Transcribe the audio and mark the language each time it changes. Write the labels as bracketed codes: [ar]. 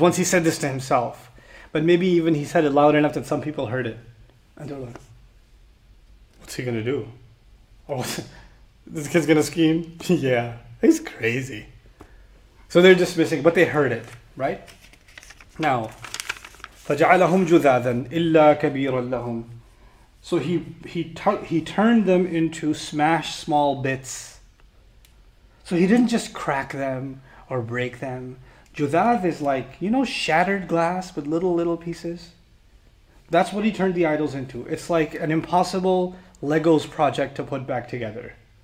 [en] Once he said this to himself, but maybe even he said it loud enough that some people heard it, and they're like, "What's he gonna do?" Or This kid's gonna scheme? Yeah. He's crazy. So they're dismissing, but they heard it, right? [ar] Now, فَجَعَلَهُمْ جُذَاذًا إِلَّا كَبِيرًا لَهُمْ. [en] So he turned them into smashed small bits. So he didn't just crack them or break them. Judath is like, you know, shattered glass with little pieces. That's what he turned the idols into. It's like an impossible Legos project to put back together.